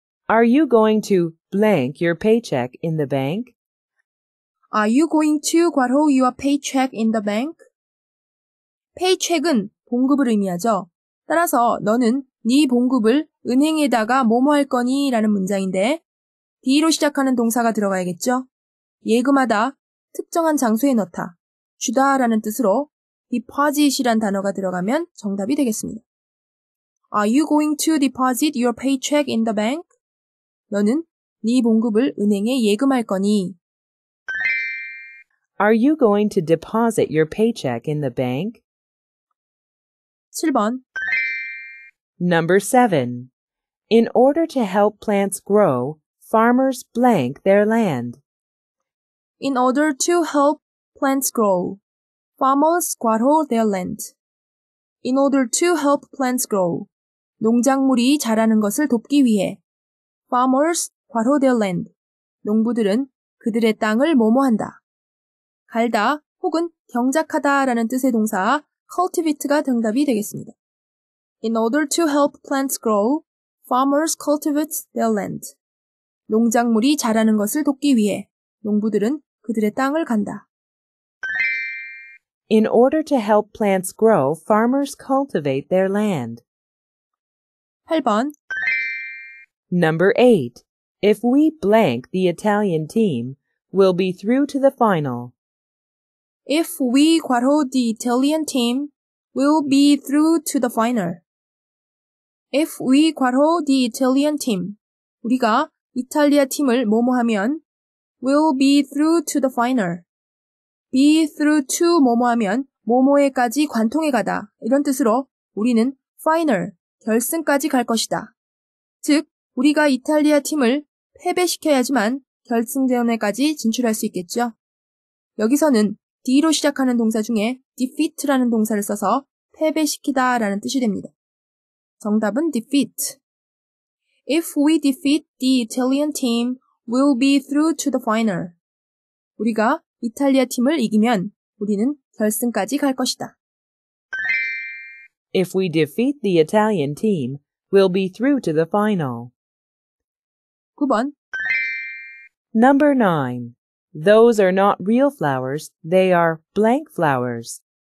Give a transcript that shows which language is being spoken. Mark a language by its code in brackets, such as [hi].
[en] Are you going to blank your paycheck in the bank? Are you going to 괄호 your paycheck in the bank? [ko] Paycheck은 봉급을 의미하죠. 따라서 너는 네 봉급을 은행에다가 뭐뭐 할 거니? 라는 문장인데 D로 시작하는 동사가 들어가야겠죠? 예금하다, 특정한 장소에 넣다, 주다 라는 뜻으로 deposit이란 단어가 들어가면 정답이 되겠습니다. [en] Are you going to deposit your paycheck in the bank? [ko] 너는 네 봉급을 은행에 예금할 거니? [en] Are you going to deposit your paycheck in the bank? [ko] 7번 [en] Number 7. In order to help plants grow, farmers blank their land. In order to help plants grow, farmers 괄호 their land. In order to help plants grow, [ko] 농작물이 자라는 것을 돕기 위해. [en] Farmers 괄호 their land. [ko] 농부들은 그들의 땅을 뭐뭐한다. 갈다 혹은 경작하다라는 뜻의 동사 cultivate가 정답이 되겠습니다. [en] In order to help plants grow, farmers cultivate their land. [ko] 농작물이 자라는 것을 돕기 위해 농부들은 그들의 땅을 간다. [en] In order to help plants grow, farmers cultivate their land. [ko] 8번 [en] Number 8. If we blank the Italian team, we'll be through to the final. If we 괄호 the Italian team, we'll be through to the final. If we 괄호 the Italian team, [ko] 우리가 이탈리아 팀을 뭐뭐하면 [en] we'll be through to the final. Be through to [ko] 뭐뭐하면 뭐뭐에까지 관통해 가다 이런 뜻으로 우리는 final, 결승까지 갈 것이다. 즉, 우리가 이탈리아 팀을 패배시켜야지만 결승전에까지 진출할 수 있겠죠. 여기서는 D로 시작하는 동사 중에 defeat라는 동사를 써서 패배시키다 라는 뜻이 됩니다. 정답은 defeat. [en] If we defeat the Italian team, we'll be through to the final. [ko] 우리가 이탈리아 팀을 이기면 우리는 결승까지 갈 것이다. [en] If we defeat the Italian team, we'll be through to the final. [ko] 9번 [en] Number 9. Those are not real flowers, they are blank flowers.